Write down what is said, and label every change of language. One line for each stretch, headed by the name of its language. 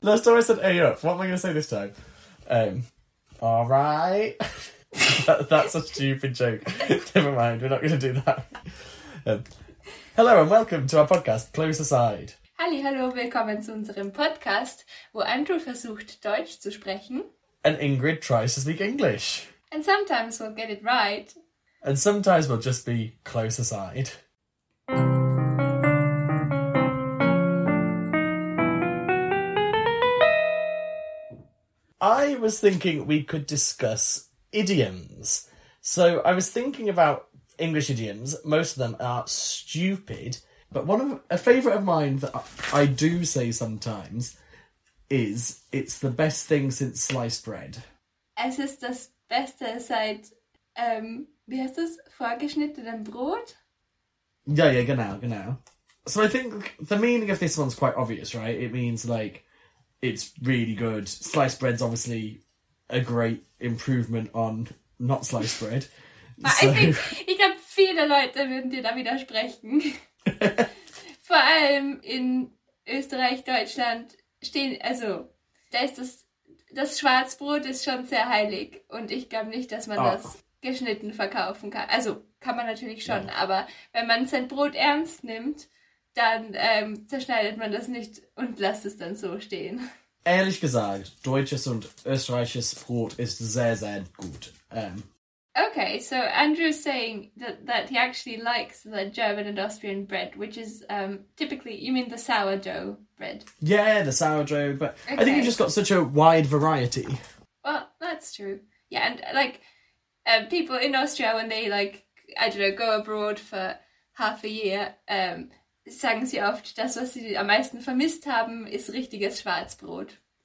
English: Last time I said hey up, what am I going to say this time? All right. That's a stupid joke. Never mind, we're not going to do that. Hello and welcome to our podcast, Close Aside.
German: Hallo, willkommen zu unserem Podcast, wo Andrew versucht, Deutsch zu sprechen.
English: And Ingrid tries to speak English. And sometimes we'll get it right. And sometimes we'll just be close aside. I was thinking we could discuss idioms. So I was thinking about English idioms. Most of them are stupid. But one of a favourite of mine that I do say sometimes is it's the best thing since sliced bread.
German: Es ist das Beste seit, wie heißt das, vorgeschnittenem Brot? Yeah, genau.
English: So I think the meaning of this one's quite obvious, right? It means, like, it's really good. Sliced bread's obviously a great improvement on not sliced bread.
German: I glaube, viele Leute würden dir da widersprechen. Vor allem in Österreich, Deutschland stehen, also, da ist das Schwarzbrot ist schon sehr heilig und ich glaube nicht, dass man das geschnitten verkaufen kann. Also, kann man natürlich schon, aber wenn man sein Brot ernst nimmt, dann zerschneidet man das nicht und lässt es dann so stehen. Ehrlich gesagt, deutsches und österreichisches Brot ist sehr, sehr gut.
English: Okay, so Andrew's saying that he actually likes the German and Austrian bread, which is typically, you mean the sourdough bread? Yeah, the sourdough, but okay. I think you've just got such a wide variety. Well, that's true. Yeah, and like people in Austria, when they like, I don't know, go abroad for half a year,
German: sagen sie oft, das, was sie am meisten vermisst haben, ist richtiges Schwarzbrot.